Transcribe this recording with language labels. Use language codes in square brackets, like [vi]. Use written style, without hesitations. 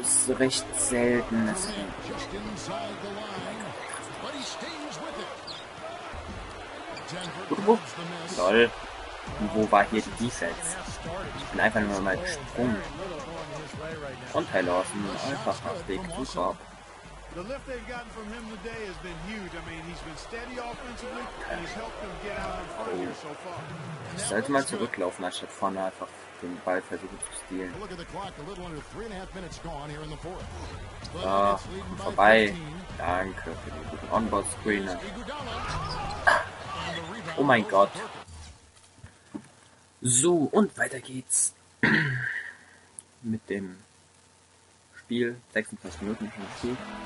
[de] Ist recht selten. Das ist Lol. Und wo war hier die Defense? Ich bin einfach nur mal gesprungen. Und Ty Lawson, einfach nach Weg zum Korb. [en] The lift they've gotten from him today has been huge. I mean, he's been steady offensively and he's helped them get out in front of you so far. [de] Ich sollte mal zurücklaufen, anstatt vorne einfach den Ball versuchen zu stehlen. [en] Look at the clock, a little under 3.5 minutes gone here in the fourth. [de] Komm vorbei. Danke für den guten Onboard-Screen. Oh mein Gott. So, und weiter geht's mit dem Spiel, 26 Minuten im Spiel.